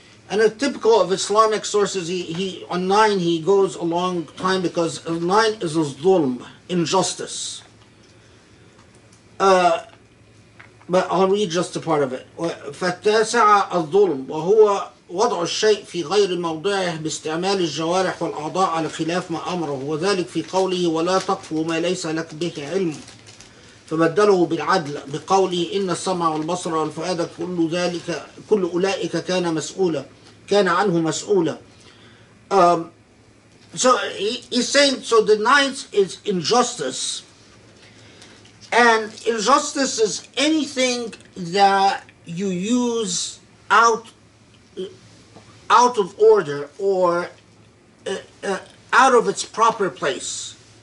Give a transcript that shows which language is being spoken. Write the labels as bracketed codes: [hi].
[en] And a typical of Islamic sources, he on nine he goes a long time because nine is a zulm, injustice. But I'll read just a part of it. [ar] فالتاسعة الظلم وهو وضع الشيء في غير موضعه باستعمال الجوارح والأعضاء على خلاف ما أمره وذلك في قوله ولا تقف ما ليس لك به علم فبدله بالعدل بقوله إن السمع والبصر والفؤاد كل ذلك كل أولئك كان مسؤولا كان عنه مسؤولا. [en] So he's saying, so the ninth is injustice. And injustice is anything that you use out of order or out of its proper place.